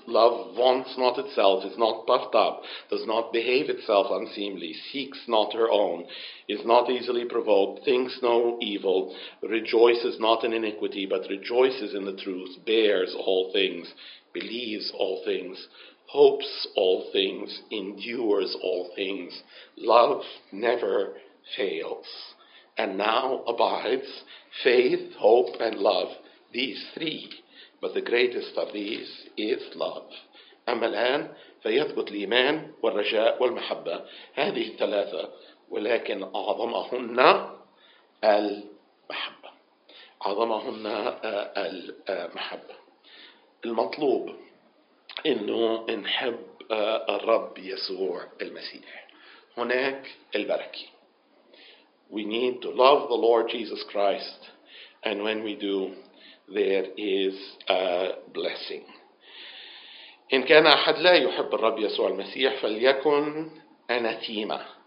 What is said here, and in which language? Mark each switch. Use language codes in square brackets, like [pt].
[en] Love wants not itself, is not puffed up, does not behave itself unseemly, seeks not her own, is not easily provoked, thinks no evil, rejoices not in iniquity, but rejoices in the truth, bears all things, believes all things, hopes all things, endures all things. Love never fails. And now abides faith, hope, and love. These three, but the greatest of these is love. [ar] أما الآن فيثبت الإيمان والرجاء والمحبة هذه الثلاثة ولكن أعظمهن المحبة. أعظمهن المحبة. المطلوب إنه نحب الرب يسوع المسيح. هناك البركة. [en] We need to love the Lord Jesus Christ, and when we do, there is a blessing. [ar] إن كان أحد لا يحب الرب يسوع المسيح فليكن أناتيما.